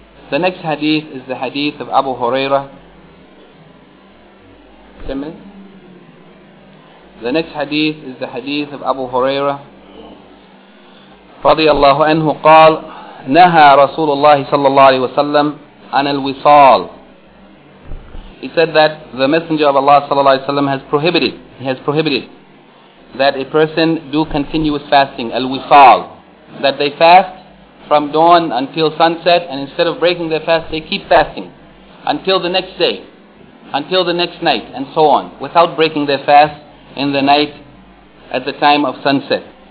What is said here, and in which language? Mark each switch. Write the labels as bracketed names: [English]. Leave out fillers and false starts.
[English] The next hadith is the hadith of Abu Hurairah. 10 minutes. The next hadith is the hadith of Abu Hurairah [Arabic] رضي الله عنه قال نهى رسول الله صلى الله عليه وسلم عن الوصال. [English] He said that the Messenger of Allah [Arabic] صلى الله عليه وسلم [English] has prohibited that a person do continuous fasting, الوصال, that they fast from dawn until sunset, and instead of breaking their fast they keep fasting until the next day, until the next night, and so on, without breaking their fast in the night at the time of sunset.